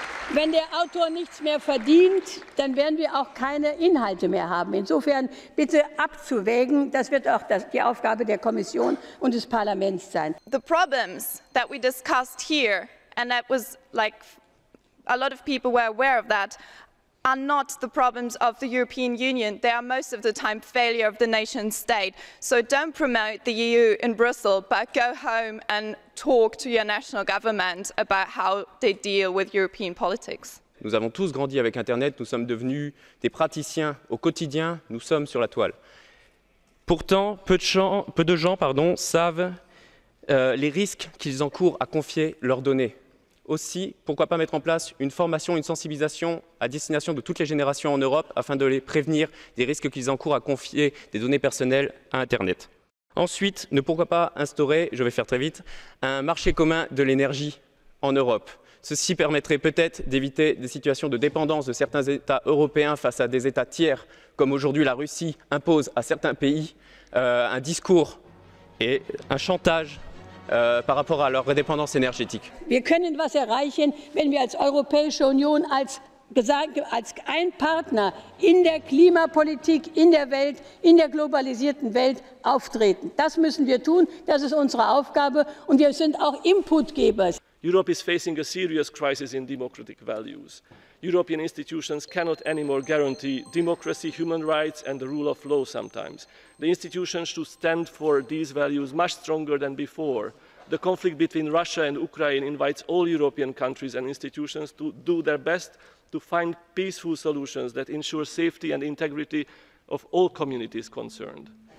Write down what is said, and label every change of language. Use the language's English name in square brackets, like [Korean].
[German] Wenn der Autor nichts mehr verdient, dann werden wir auch keine Inhalte mehr haben. Insofern bitte abzuwägen, das wird auch die Aufgabe der Kommission und des Parlaments sein. [English] The problems that we discussed here, and that was like a lot of people were aware of that, are not the problems of the European Union. They are most of the time failure of the nation state. So don't promote the EU in Brussels, but go home and talk to your national government about how they deal with European politics. [French] Nous avons tous grandi avec Internet, nous sommes devenus des praticiens au quotidien, nous sommes sur la toile. Pourtant, peu de gens savent les risques qu'ils encourent à confier leurs données. Aussi, pourquoi pas mettre en place une formation, une sensibilisation à destination de toutes les générations en Europe afin de les prévenir des risques qu'ils encourent à confier des données personnelles à Internet. Ensuite, ne pourquoi pas instaurer, je vais faire très vite, un marché commun de l'énergie en Europe. Ceci permettrait peut-être d'éviter des situations de dépendance de certains États européens face à des États tiers, comme aujourd'hui la Russie impose à certains pays un discours et un chantage par rapport à leur indépendance énergétique. [German] Wir können was erreichen, wenn wir als Europäische Union als ein Partner in der Klimapolitik, in der Welt, in der globalisierten Welt auftreten. Das müssen wir tun, das ist unsere Aufgabe und wir sind auch Inputgeber. [English] Europe is facing a serious crisis in democratic values. European institutions cannot anymore guarantee democracy, human rights and the rule of law sometimes. The institutions should stand for these values much stronger than before. The conflict between Russia and Ukraine invites all European countries and institutions to do their best to find peaceful solutions that ensure safety and integrity of all communities concerned.